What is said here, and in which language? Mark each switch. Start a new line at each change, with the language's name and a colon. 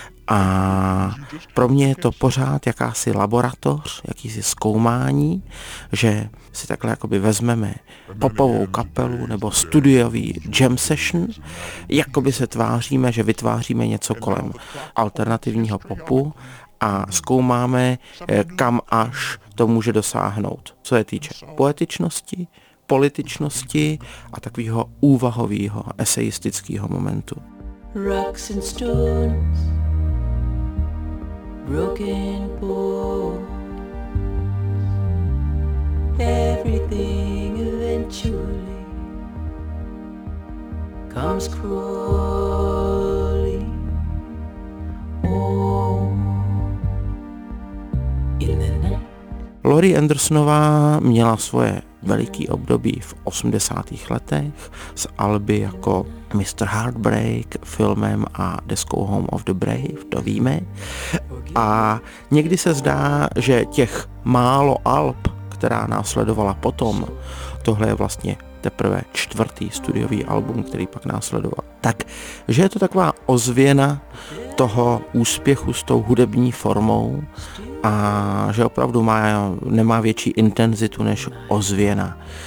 Czech: A pro mě je to pořád jakási laboratoř, jakýsi zkoumání, že si takhle jakoby vezmeme popovou kapelu nebo studiový jam session, jakoby se tváříme, že vytváříme něco kolem alternativního popu a zkoumáme, kam až to může dosáhnout, co se týče poetičnosti, političnosti a takového úvahového, esejistického momentu.
English: Rocks and stones, broken bones, everything eventually comes crawling home in the night.
Czech: Lori Andersonová měla svoje veliký období v 80. letech s alby jako Mr. Heartbreak, filmem a deskou Home of the Brave, to víme. A někdy se zdá, že těch málo alb, která následovala potom, tohle je vlastně teprve čtvrtý studiový album, který pak následoval, tak, že je to taková ozvěna toho úspěchu s tou hudební formou a že opravdu nemá větší intenzitu než ozvěna.